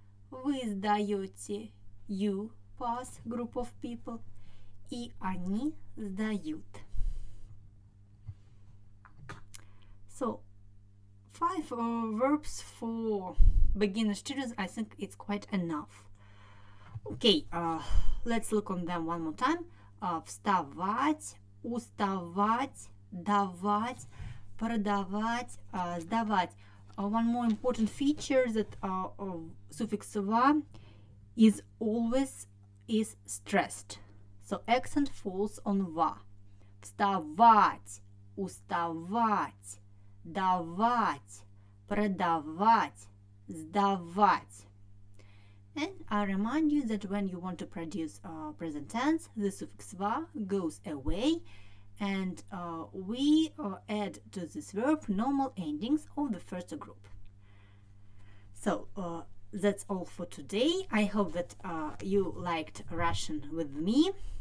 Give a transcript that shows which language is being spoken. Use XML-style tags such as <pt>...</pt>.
<ru>Вы сдаете,</ru> <en>you pass, group of people.</en> <ru>И они сдают.</ru> <en>So, five verbs for beginner students, I think it's quite enough. Okay, let's look on them one more time.</en> <ru>Вставать, уставать, давать, продавать, сдавать.</ru> <en>One more important feature that suffix -ва is always is stressed. So accent falls on -ва.</en> <ru>Вставать, уставать, давать, продавать, сдавать.</ru> <en>And I remind you that when you want to produce a present tense, the suffix -ва goes away. And we add to this verb normal endings of the first group. So that's all for today. I hope that you liked Russian with me.</en>